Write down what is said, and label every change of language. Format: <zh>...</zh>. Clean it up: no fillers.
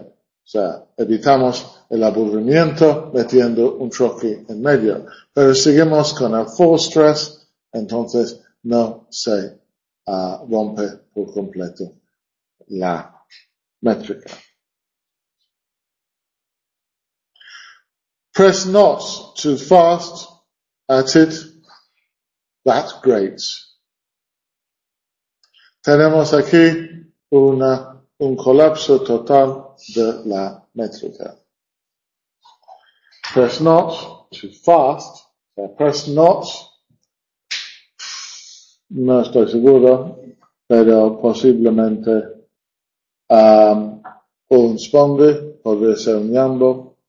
<es>O sea, evitamos el aburrimiento metiendo un troque en medio. Pero seguimos con el full stress, entonces no se rompe por completo la métrica.</es> <en>Press not too fast at it, that grates.</en> <es>Tenemos aquí un colapso total de la métrica.</es> <en>Press not too fast, press not,</en> <es>no estoy seguro, pero posiblemente un spongy, podría ser un yambo.</es>